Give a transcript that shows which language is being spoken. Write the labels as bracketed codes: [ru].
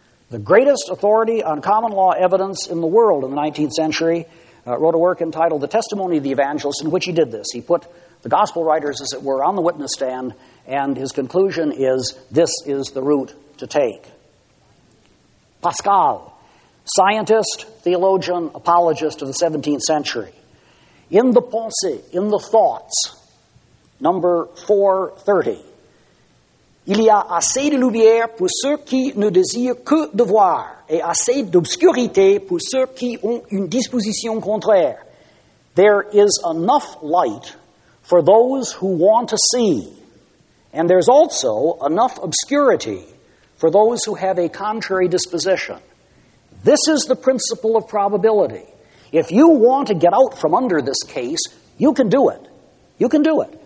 [en] the greatest authority on common law evidence in the world in the 19th century, wrote a work entitled The Testimony of the Evangelist, in which he did this. He put the gospel writers, as it were, on the witness stand, and his conclusion is, this is the route to take. Pascal, scientist, theologian, apologist of the 17th century. In the Pensée, in the thoughts, number 430, [fr] il y a assez de lumière pour ceux qui ne désirent que de voir et assez d'obscurité pour ceux qui ont une disposition contraire. [en] There is enough light for those who want to see, and there's also enough obscurity for those who have a contrary disposition. This is the principle of probability. If you want to get out from under this case, you can do it. You can do it.